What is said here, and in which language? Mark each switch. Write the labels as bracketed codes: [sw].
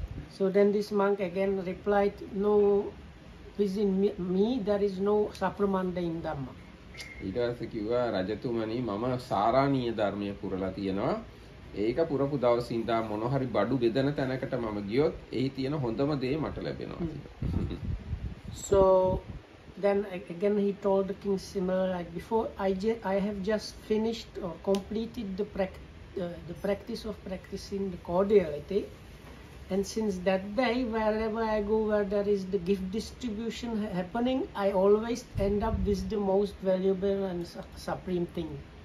[en] So then this monk again replied, "No, within me there is no Sapramanda in Dhamma." [si] ඊට පස්සේ කිව්වා රජතුමනි මම සාරාණීය ධර්මය පුරලා තියෙනවා ඒක පුරපු දවසේ ඉඳන් මොන හරි බඩු බෙදෙන තැනකට මම ගියොත් එහි තියෙන හොඳම දේ මට ලැබෙනවා [en] So then again he told the king similar like before, I have just finished or completed the practice of practicing the cordiality, and since that day wherever I go where there is the gift distribution happening, I always end up with the most valuable and supreme thing.